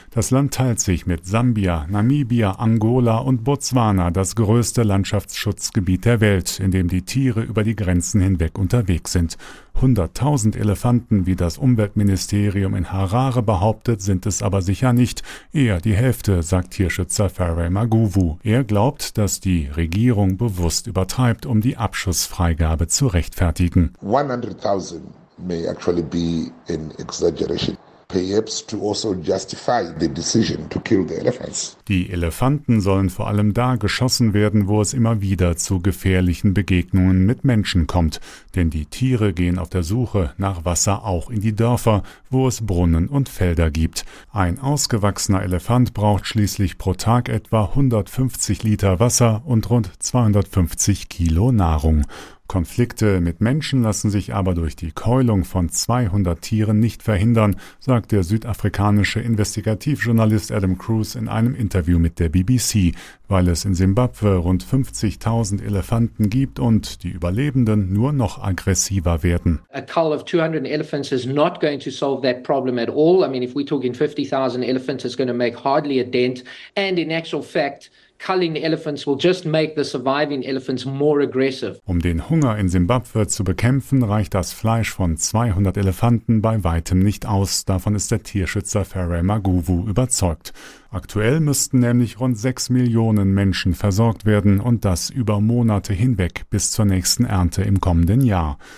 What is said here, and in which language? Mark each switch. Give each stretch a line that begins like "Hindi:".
German: Das Land teilt sich mit Sambia, Namibia, Angola und Botswana das größte Landschaftsschutzgebiet der Welt, in dem die Tiere über die Grenzen hinweg unterwegs sind. 100.000 Elefanten, wie das Umweltministerium in Harare behauptet, sind es aber sicher nicht. Eher die Hälfte, sagt Tierschützer Faray Maguvu. Er glaubt, dass die Regierung bewusst übertreibt, um die Abschussfreigabe zu rechtfertigen.
English: 100.000 may actually be an exaggeration. Perhaps to also justify the decision to kill the elephants.
German: Die Elefanten sollen vor allem da geschossen werden, wo es immer wieder zu gefährlichen Begegnungen mit Menschen kommt. Denn die Tiere gehen auf der Suche nach Wasser auch in die Dörfer, wo es Brunnen und Felder gibt. Ein ausgewachsener Elefant braucht schließlich pro Tag etwa 150 Liter Wasser und rund 250 Kilo Nahrung. Konflikte mit Menschen lassen sich aber durch die Keulung von 200 Tieren nicht verhindern, sagt der südafrikanische Investigativjournalist Adam Cruz in einem Interview mit der BBC. Weil es in Simbabwe rund 50.000 Elefanten gibt und die Überlebenden nur noch aggressiver werden.
English: A cull of 200 elephants is not going to solve that problem at all. I mean, if we're talking 50,000 elephants, it's going to make hardly a dent. And in actual fact, culling elephants will just make the surviving elephants more aggressive.
German: Um den Hunger in Simbabwe zu bekämpfen, reicht das Fleisch von 200 Elefanten bei weitem nicht aus. Davon ist der Tierschützer Faray Maguvu überzeugt. Aktuell müssten nämlich rund 6 Millionen Menschen versorgt werden und das über Monate hinweg bis zur nächsten Ernte im kommenden Jahr.